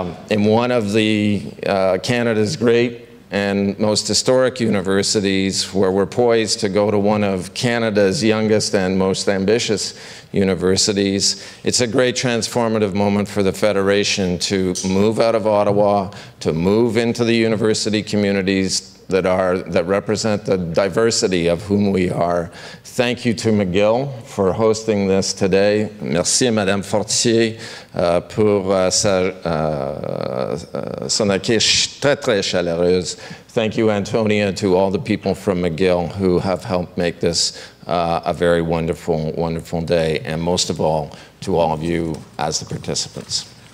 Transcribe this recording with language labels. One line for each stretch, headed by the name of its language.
English: in one of the Canada's great and most historic universities, where we're poised to go to one of Canada's youngest and most ambitious universities. It's a great transformative moment for the Federation to move out of Ottawa, to move into the university communities that represent the diversity of whom we are. Thank you to McGill for hosting this today.
French: Merci, Madame Fortier, pour son accueil très, très chaleureuse.
English: Thank you, Antonia, to all the people from McGill who have helped make this a very wonderful, wonderful day. And most of all, to all of you as the participants.